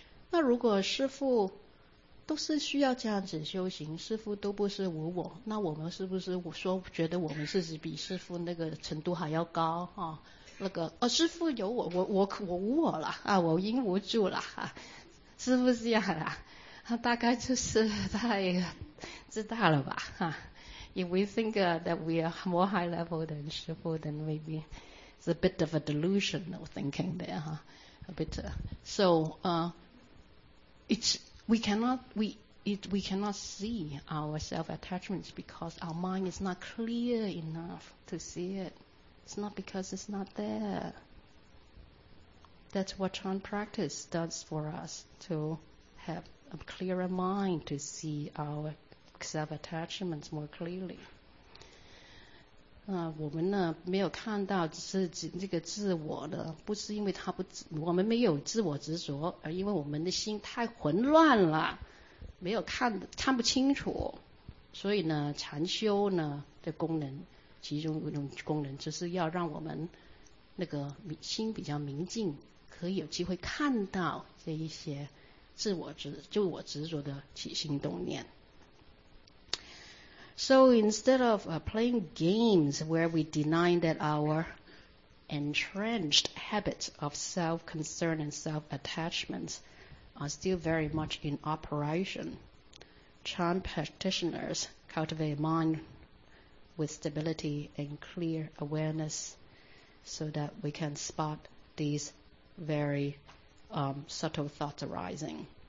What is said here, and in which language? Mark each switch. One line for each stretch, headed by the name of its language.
Chinese: 那如果师父都是需要这样子修行，师父都不是无我，那我们是不是说觉得我们是比师父那个程度还要高啊？那个师父有我，我无我了啊，我因无助了啊，是不是这样啦？啊，大概就是太自大了吧啊
English: ？If we think that we are more high level than 师父， then maybe it's a bit of a delusional thinking there 哈、啊、，a bit so we cannot see our self-attachments because our mind is not clear enough to see it. It's not because it's not there. That's what Chan practice does for us, to have a clearer mind to see our self-attachments more clearly.
Chinese: 我们呢没有看到只是这个自我的，不是因为他不，我们没有自我执着，而因为我们的心太混乱了，没有看不清楚，所以呢禅修呢的功能，其中一种功能就是要让我们那个心比较明净，可以有机会看到这一些自我执着的起心动念。
English: So instead of playing games where we deny that our entrenched habits of self-concern and self-attachmentsare still very much in operation. Chan practitioners cultivate mind with stability and clear awareness so that we can spot these very subtle thoughts arising.